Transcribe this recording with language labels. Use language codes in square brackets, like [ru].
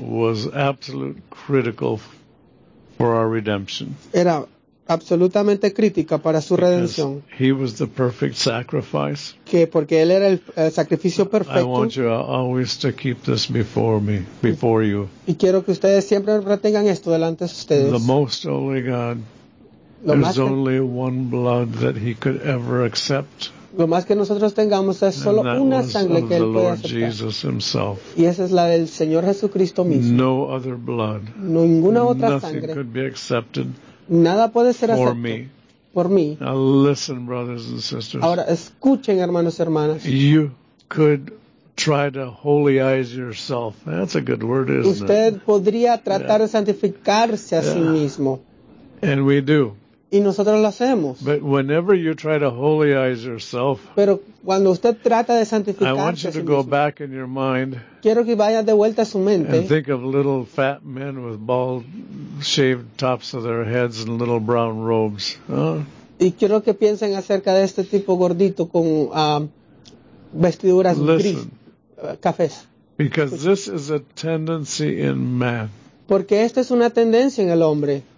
[en] Was absolute critical for our redemption. [es] Era absolutamente crítica para su redención. [en] Because he was the perfect sacrifice. [es] Que porque él era el sacrificio perfecto. [en] I want you always to keep this before me, before you. [es] Y quiero que ustedes siempre retengan esto delante de ustedes. [en] The most holy God. There's only one blood that he could ever accept. [es] Lo más que nosotros tengamos es solo una sangre que él puede aceptar. Y esa es la del Señor Jesucristo mismo. [en] No other blood. [es] No ninguna otra [en] Nothing [es] sangre. [en] Could be accepted. [es] Nada puede ser aceptado por mí. [en] Now listen, brothers and sisters. [es] Ahora escuchen, hermanos y hermanas. [en] You could try to holyize yourself. That's a good word, isn't [es] Usted [en] it? [es] Podría tratar yeah. de santificarse a yeah. sí mismo. [en] And we do. [es] Y nosotros lo hacemos. [en] But whenever you try to holyize yourself, [es] pero cuando usted trata de santificarse, [en] I want you to go back in your mind. [es] Quiero que vaya de vuelta a su mente. [en] And think of little fat men with bald, shaved tops of their heads and little brown robes. [es] Y quiero que piensen acerca de este tipo gordito con vestiduras gris, cafés. [en] Because this is a tendency in man. [es] Porque esta es una tendencia en el hombre.